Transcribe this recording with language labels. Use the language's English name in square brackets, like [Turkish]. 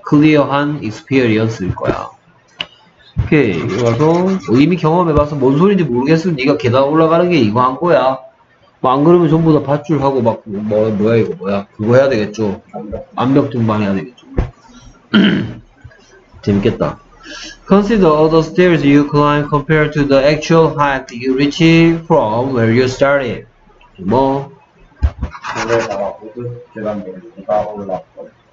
[Korean] 클리어한 익스피리언스일 거야. 오케이. 그래서 이미 경험해봐서 뭔 소리인지 모르겠으면 네가 계단 올라가는 게 이거 한 거야. 뭐 안 그러면 전부 다 밧줄하고 막 뭐야 이거 뭐야 그거 해야 되겠죠. 암벽 등반 해야 되겠죠. 재밌겠다. [English] Consider all the stairs you climb compared to the actual height you reach from where you started. [Korean] 뭐? 계단 모든 계단 모두 네가 올라갔어요.